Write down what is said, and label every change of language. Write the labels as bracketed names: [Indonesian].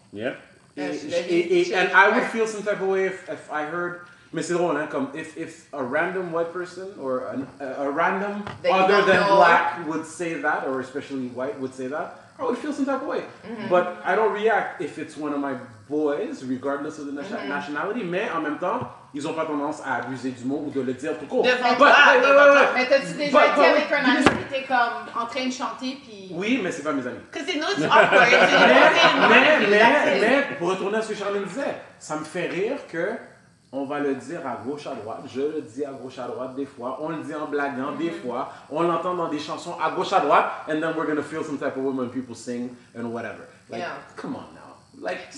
[English] Yeah, and I would feel some type of way if I heard. [French] Mais c'est drôle, hein, comme [English] if a random white person or a random other than black would say that, or especially white would say that, I would feel some type of way. Mm-hmm. But I don't react if it's one of my boys, regardless of the nationality. [French] Mais en même temps, ils ont pas tendance à abuser du mot ou de le dire tout court. Mais t'as-tu déjà été avec un ami qui était comme en train de chanter? Oui, mais c'est pas mes amis. Mais pour retourner à ce que Charlene disait, ça me fait rire que on va le dire à gauche à droite. Je le dis à gauche à droite des fois. On le dit en blaguant des fois. On l'entend dans des chansons à gauche à droite. [English] And then we're gonna feel some type of women people sing and whatever. Like, come on now.